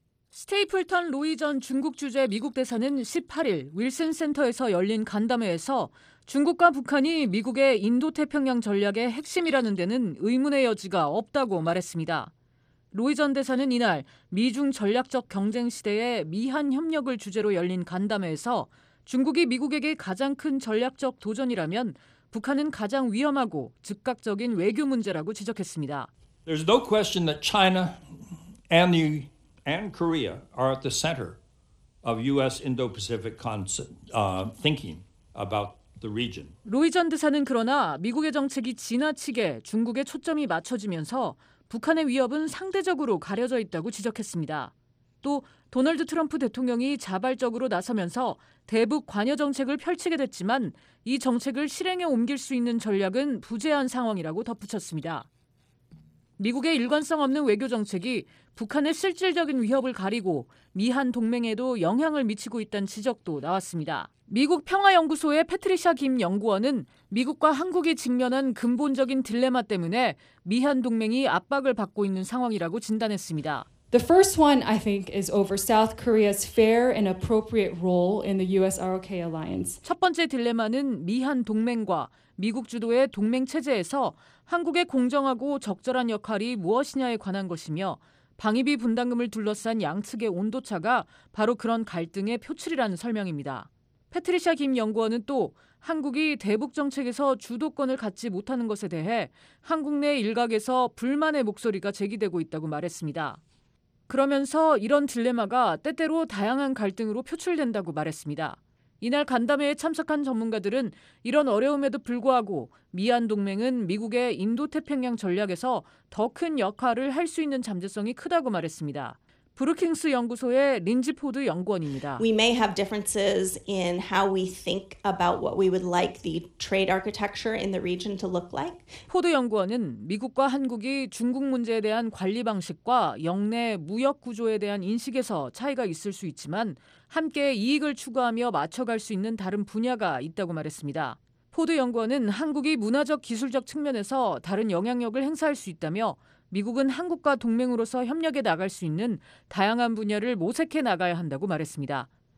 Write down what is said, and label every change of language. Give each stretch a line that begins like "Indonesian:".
Korean: 스테이플턴 로이 전 중국 주재 미국 대사는 18일 윌슨 센터에서 열린 간담회에서 중국과 북한이 미국의 인도태평양 전략의 핵심이라는 데는 의문의 여지가 없다고 말했습니다. 로이 전 대사는 이날 미중 전략적 경쟁 시대에 미한 협력을 주제로 열린 간담회에서 중국이 미국에게 가장 큰 전략적 도전이라면 북한은 가장 위험하고 즉각적인 외교 문제라고 지적했습니다.
English: There's no question that China and the and Korea are at the center of U.S. Indo-Pacific thinking about the region.
Korean: 로이 전 대사는 그러나 미국의 정책이 지나치게 중국에 초점이 맞춰지면서 북한의 위협은 상대적으로 가려져 있다고 지적했습니다. 또 도널드 트럼프 대통령이 자발적으로 나서면서 대북 관여 정책을 펼치게 됐지만 이 정책을 실행에 옮길 수 있는 전략은 부재한 상황이라고 덧붙였습니다. 미국의 일관성 없는 외교 정책이 북한의 실질적인 위협을 가리고 미한 동맹에도 영향을 미치고 있다는 지적도 나왔습니다. 미국 평화연구소의 패트리샤 김 연구원은 미국과 한국이 직면한 근본적인 딜레마 때문에 미한 동맹이 압박을 받고 있는 상황이라고 진단했습니다.
English: The first one, I think, is over South Korea's fair and appropriate role in the US-ROK alliance.
Korean: 첫 번째 딜레마는 미한 동맹과 미국 주도의 동맹 체제에서 한국의 공정하고 적절한 역할이 무엇이냐에 관한 것이며 방위비 분담금을 둘러싼 양측의 온도차가 바로 그런 갈등의 표출이라는 설명입니다. 패트리샤 김 연구원은 또 한국이 대북 정책에서 주도권을 갖지 못하는 것에 대해 한국 내 일각에서 불만의 목소리가 제기되고 있다고 말했습니다. 그러면서 이런 딜레마가 때때로 다양한 갈등으로 표출된다고 말했습니다. 이날 간담회에 참석한 전문가들은 이런 어려움에도 불구하고 미한 동맹은 미국의 인도태평양 전략에서 더 큰 역할을 할 수 있는 잠재성이 크다고 말했습니다. 브루킹스 연구소의 린지 포드 연구원입니다.
English: We may have differences in how we think about what we would like the trade architecture in the region to look like.
Korean: 포드 연구원은 미국과 한국이 중국 문제에 대한 관리 방식과 역내 무역 구조에 대한 인식에서 차이가 있을 수 있지만 함께 이익을 추구하며 맞춰갈 수 있는 다른 분야가 있다고 말했습니다. 포드 연구원은 한국이 문화적 기술적 측면에서 다른 영향력을 행사할 수 있다며 미국은 한국과 동맹으로서 협력해 나갈 수 있는 다양한 분야를 모색해 나가야 한다고 말했습니다.